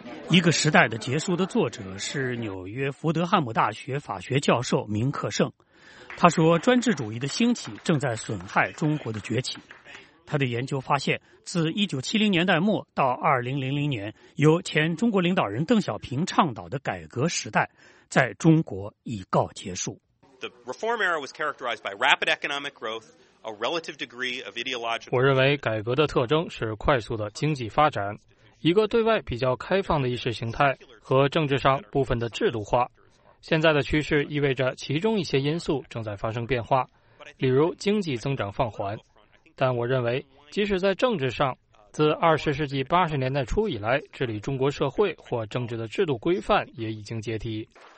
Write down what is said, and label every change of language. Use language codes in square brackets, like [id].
[zh] 一个时代的结束的作者是纽约福德汉姆大学法学教授明克盛。他说，专制主义的兴起正在损害中国的崛起。他的研究发现，自1970年代末到2000年，由前中国领导人邓小平倡导的改革时代，在中国已告结束。 [en] The reform era was characterized by rapid economic growth, a relative degree of ideological. [zh] 我认为改革的特征是快速的经济发展，一个对外比较开放的意识形态和政治上部分的制度化。现在的趋势意味着其中一些因素正在发生变化，例如经济增长放缓。但我认为，即使在政治上，自20世纪80年代初以来治理中国社会或政治的制度规范也已经解体。